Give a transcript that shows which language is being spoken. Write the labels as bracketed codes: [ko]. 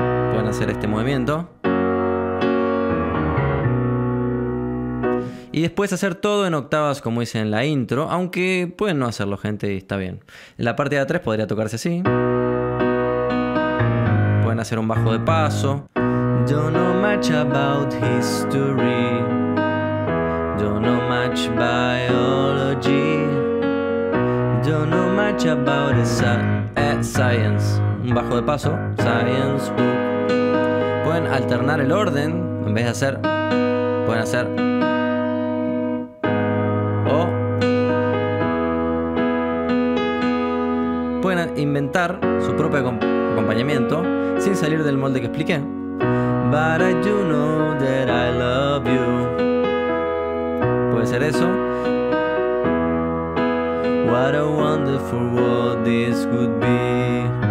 [es] Pueden hacer este movimiento. Y después hacer todo en octavas como hice en la intro, aunque pueden no hacerlo, gente, y está bien. En la parte de A3 podría tocarse así. Pueden hacer un bajo de paso. [en] Don't know much about history. Don't know much biology. Don't know much about science. [es] Un bajo de paso. Science. Pueden alternar el orden. En vez de hacer, pueden hacer. O. Pueden inventar su propio acompañamiento sin salir del molde que expliqué. [en] But I do know that I love you. [es] Puede ser eso. [en] What a wonderful world this would be.